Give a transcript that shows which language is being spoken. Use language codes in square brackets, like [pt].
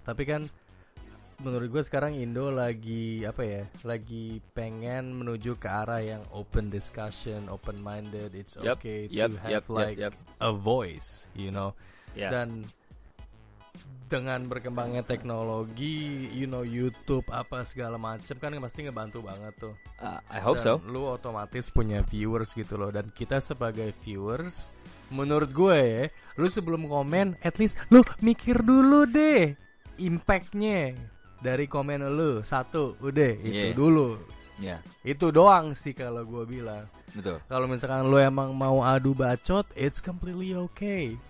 [id] Tapi kan menurut gue sekarang Indo lagi apa ya? Lagi pengen menuju ke arah yang [en] open discussion, open minded. It's okay to have a voice, you know. Yeah. [id] Dan dengan berkembangnya teknologi, [en] you know, [id] YouTube apa segala macam kan pasti ngebantu banget tuh. [en] I hope [id] dan [en] so. [id] Lu otomatis punya viewers gitu loh. Dan kita sebagai viewers, menurut gue ya, lu sebelum komen, at least lu mikir dulu deh impactnya dari komen lu. Satu, udah itu dulu. [en] Yeah. [id] Itu doang sih kalau gue bilang. Betul. Kalau misalkan lo emang mau adu bacot, [en] it's completely okay.